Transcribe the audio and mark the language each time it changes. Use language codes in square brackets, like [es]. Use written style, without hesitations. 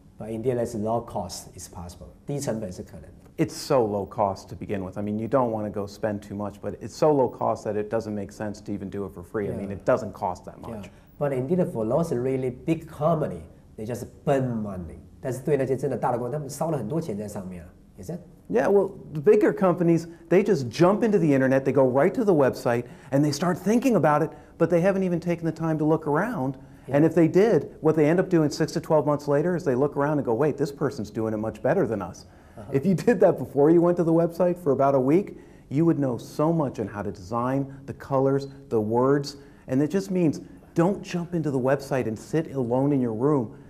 [en] But in the end, it's low cost is possible. [zh] 低成本是可能。 [en] It's so low cost to begin with. I mean, you don't want to go spend too much, but it's so low cost that it doesn't make sense to even do it for free. Yeah. I mean, it doesn't cost that much. Yeah. But in the end, for those really big company, they just burn money. [zh] 但是对那些真的大的公司，他们烧了很多钱在上面。 [en] Is it? Yeah, well, the bigger companies, they just jump into the internet, they go right to the website, and they start thinking about it, but they haven't even taken the time to look around. Yeah. And if they did, what they end up doing 6 to 12 months later is they look around and go, wait, this person's doing it much better than us. Uh-huh. If you did that before you went to the website for about a week, you would know so much on how to design the colors, the words, and it just means don't jump into the website and sit alone in your room.